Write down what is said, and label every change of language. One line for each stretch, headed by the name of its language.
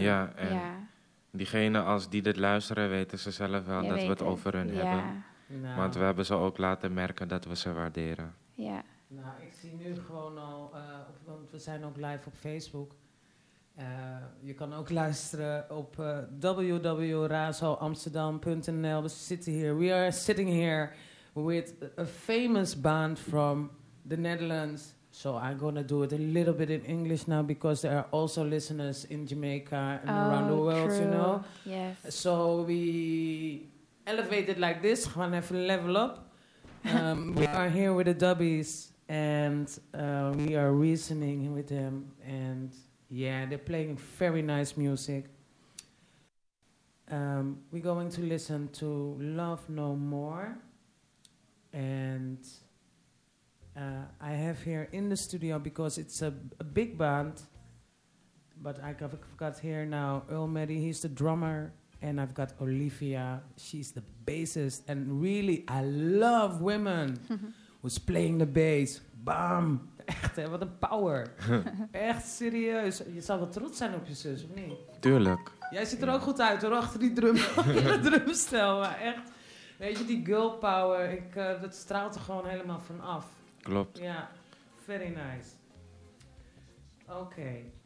Dutch: Ja, en diegene als die dit luisteren weten ze zelf wel dat we het over hun hebben. Nou. Want we hebben ze ook laten merken dat we ze waarderen. Ja. Nou, ik zie nu gewoon al, want we zijn ook live op Facebook. Je kan ook luisteren op www.razoamsterdam.nl.
English: We are sitting here with a famous band from the Netherlands. So I'm going to do it a little bit in English now, because there are also listeners in Jamaica and around the world, true. You know. Yes. So we elevated like this.
Dutch: Gewoon even level up.
English: We are here with the Dubbies. And we are reasoning with them, and they're playing very nice music. We're going to listen to Love No More, and I have here in the studio, because it's a big band, But I've got here now Earl Meddy, he's the drummer. And I've got Olivia, she's the bassist. And really, I love women who's playing the bass.
Dutch: Bam! Echt, hè, wat een power. Echt serieus. Je zou wel trots zijn op je zus, of niet? Tuurlijk. Jij ziet er ook goed uit, hoor, achter die drum, drumstel. Maar echt, weet je, die girl power, dat straalt er gewoon helemaal van af. Klopt. Ja,
English: very nice.
Dutch: Oké.